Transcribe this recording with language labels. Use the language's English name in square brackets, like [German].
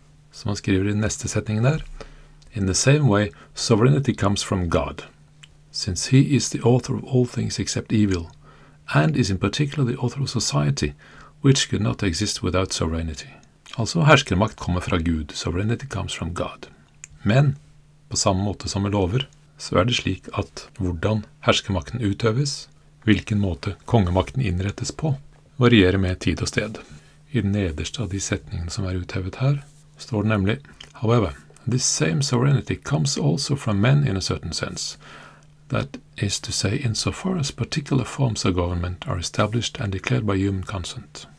[Norwegian] Som han skriver i neste setning der, [English] In the same way, sovereignty comes from God, since he is the author of all things except evil, and is in particular the author of society, which could not exist without sovereignty. [Norwegian] Altså, herskermakt kommer fra Gud, [English] sovereignty comes from God. [Norwegian] Men, på samme måte som vi lover, så er det slik at hvordan herskermakten utøves, hvilken måte kongemakten innrettes på, varierer med tid og sted. I den nederste av de setningene som er uthevet her, står det nemlig, [English] However, this same sovereignty comes also from men in a certain sense. That is to say, insofar as particular forms of government are established and declared by human consent.